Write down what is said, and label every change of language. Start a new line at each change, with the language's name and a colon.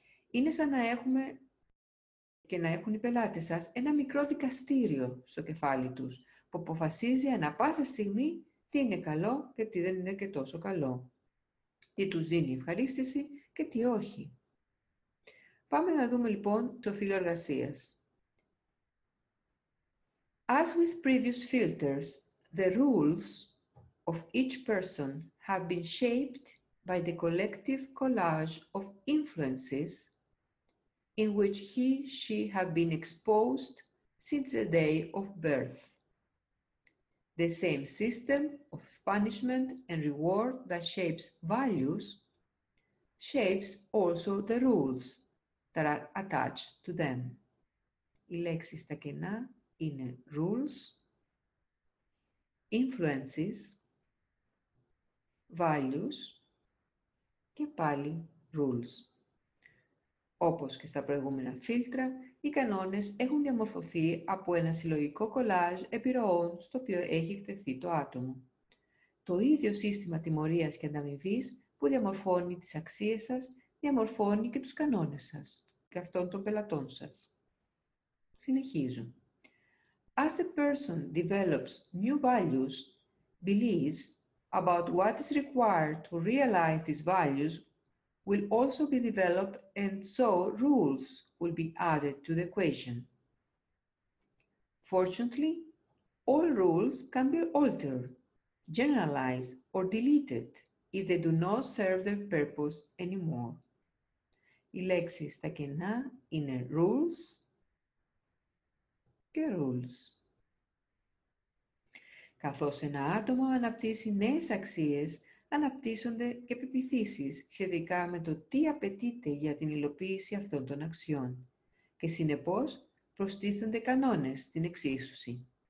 Greek: Είναι σαν να έχουμε και να έχουν οι πελάτες σας ένα μικρό δικαστήριο στο κεφάλι τους, που αποφασίζει ανά πάσα στιγμή τι είναι καλό και τι δεν είναι και τόσο καλό. Τι τους δίνει ευχαρίστηση και τι όχι. Πάμε να δούμε λοιπόν το φύλλο εργασίας.
English: As with previous filters, the rules of each person have been shaped by the collective collage of influences in which he, she have been exposed since the day of birth. The same system of punishment and reward that shapes values shapes also the rules that are attached to them.
Greek: Η λέξη στα κενά είναι rules, influences, values και πάλι rules. Όπως και στα προηγούμενα φίλτρα, οι κανόνες έχουν διαμορφωθεί από ένα συλλογικό κολάζ επιρροών στο οποίο έχει εκτεθεί το άτομο. Το ίδιο σύστημα τιμωρίας και ανταμοιβής που διαμορφώνει τις αξίες σας διαμορφώνει και τους κανόνες σας και αυτών των πελατών σας. Συνεχίζω.
English: As a person develops new values, beliefs about what is required to realize these values will also be developed and so rules will be added to the equation. Fortunately, all rules can be altered, generalized, or deleted if they do not serve their purpose anymore.
Greek: Οι λέξεις τα κενά είναι rules και rules. Καθώς ένα άτομο αναπτύσσει νέες αξίες, αναπτύσσονται και πεποιθήσεις σχετικά με το τι απαιτείται για την υλοποίηση αυτών των αξιών και συνεπώς προστίθενται κανόνες στην εξίσωση.